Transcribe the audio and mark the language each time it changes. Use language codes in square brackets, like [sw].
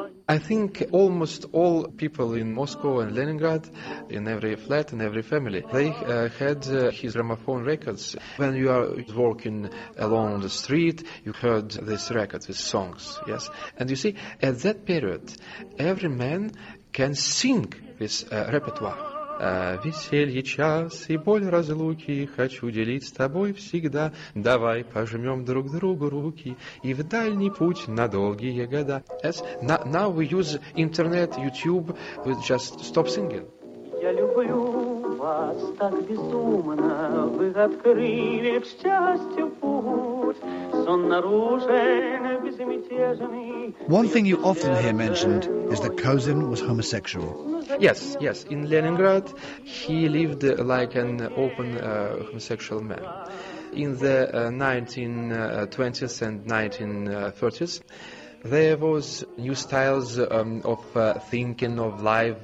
[en] I think almost all people in Moscow and Leningrad, in every flat, in every family, they had his gramophone records. When you are walking along the street, you heard this record, these songs, yes? And you see, at that period, every man can sing this repertoire. [ru] Веселье час и боль разлуки хочу делить с тобой всегда. Давай пожмем друг другу руки и в дальний путь на долгие года. [en] Yes. Now we use internet, YouTube, we just stop singing. [ru] Я люблю вас так безумно, вы открыли к счастью путь. Сон нарушен безмятежный. [en] One thing you often hear mentioned is that Cosin was homosexual. Yes, yes. In Leningrad, he lived like an open homosexual man. In the 1920s and 1930s, there was new styles of thinking of life.